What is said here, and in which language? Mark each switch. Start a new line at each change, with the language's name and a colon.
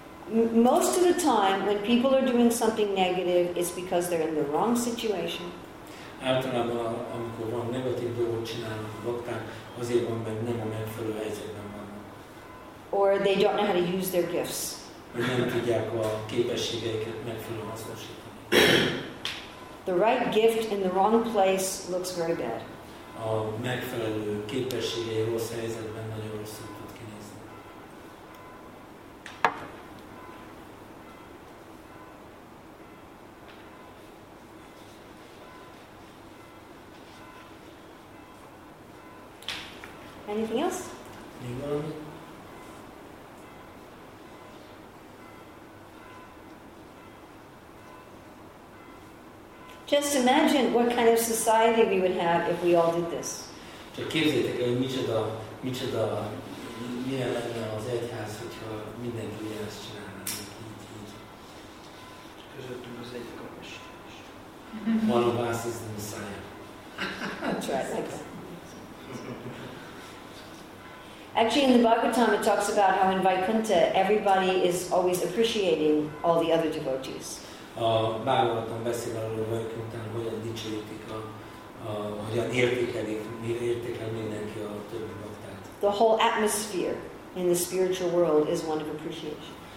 English: Most of the time when people are doing something negative, it's because they're in the wrong situation.
Hungarian: Általában, amikor van negatív dolgot csinálnak a bakták, azért van, mert nem a megfelelő helyzetben vannak.
English: Or they don't know how to use their gifts.
Hungarian: Vagy nem tudják a képességeiket megfelelően hasznosítani.
English: The right gift in the wrong place looks very bad.
Hungarian: a megfelelő képességei rossz helyzetben nagyon rosszul tud kinézni.
English: Anything else?
Hungarian: Még valami?
English: Just imagine what kind of society we would have if we all did this.
Hungarian: Csak képzeljétek el, hogy micsoda, milyen lenne az egyház, hogyha mindenki ilyen ezt csinálna. Így. Csak közöttünk az egy kapasztás.
English: One of us is the Messiah. That's right. Actually, in the Bhagavatam, it talks about how in Vaikuntha, everybody is always appreciating all the other devotees.
Hungarian: A Bhagavatam beszél arról, hogy Vaikunthán hogyan dicsérítik, hogyan értékel mindenki a többi baktát.
English: The whole atmosphere in the spiritual world is one of appreciation.